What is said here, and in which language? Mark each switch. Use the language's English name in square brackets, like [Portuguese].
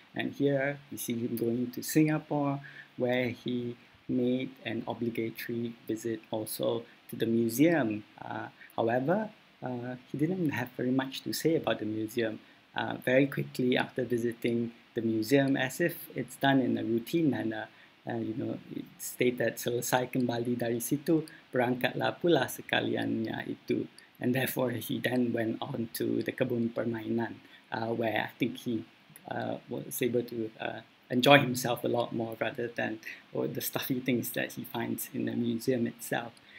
[English] And here you see him going to Singapore, where he made an obligatory visit also to the museum. However, he didn't have very much to say about the museum. Very quickly after visiting the museum, as if it's done in a routine manner, you know, state that [Malay] selesai kembali dari situ, berangkatlah pula sekaliannya itu. [English] And therefore, he then went on to the kebun permainan, where I think he was able to enjoy himself a lot more rather than all the stuffy things that he finds in the museum itself.